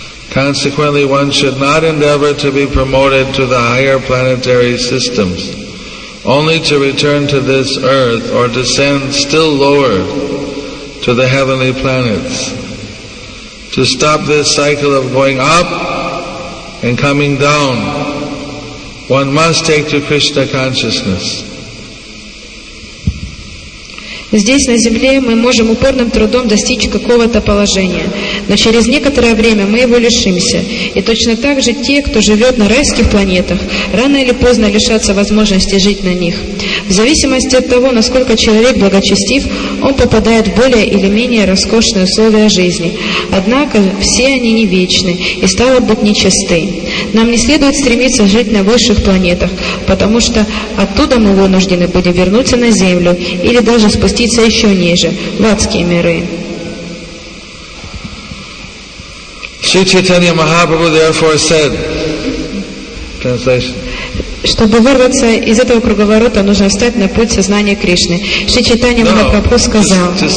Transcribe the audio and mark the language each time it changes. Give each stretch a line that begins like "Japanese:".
English: Consequently, one should not endeavor to be promoted to the higher planetary systems, only to return to this earth or descend still lower to the heavenly planets. To stop this cycle of going up and coming down, one must take to Krishna consciousness.
Russian: Здесь, на земле, мы можем упорным трудом достичь какого-то положения, но через некоторое время мы его лишимся. И точно так же те, кто живет на райских планетах, рано или поздно лишатся возможности жить на них. В зависимости от того, насколько человек благочестив, он попадает в более или менее роскошные условия жизни. Однако все они не вечны и, стало быть, нечисты. Нам не следует стремиться жить на высших планетах, потому что оттуда мы вынуждены будем вернуться на Землю или даже спуститься еще ниже, в адские миры.
English: Шри Чайтанья Махапрабху therefore said, translation.
Russian: Чтобы вырваться из этого круговорота, нужно встать на путь сознания Кришны. Шри Чайтанья Махапрабху сказал.